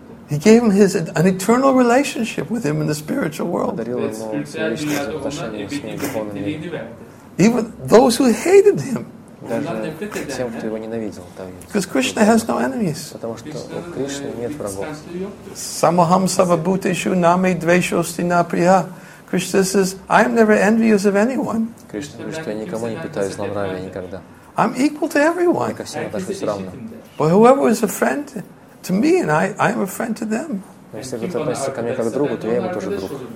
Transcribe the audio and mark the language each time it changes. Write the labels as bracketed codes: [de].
[en] He gave him his an eternal relationship with him in the spiritual world. [ru] Подарил ему вечное отношение с ним в духовном мире. [en] Even those who hated him. [ru] Даже тем, кто его ненавидел, там есть. [en] Because Krishna has no enemies. [ru] Потому что у Кришны нет врагов. [sa] Самахам савабутешу наме двешости наприя. [en] Krishna says, I am never envious of anyone. [ru] Кришна говорит, что я никому не питаю злонравия никогда. [en] I'm equal to everyone. [ru] Я ко всем отношусь равно. [en] But whoever is a friend to me, and I am a friend to them. [ru] Если кто-то относится ко мне как другу, то я ему тоже друг.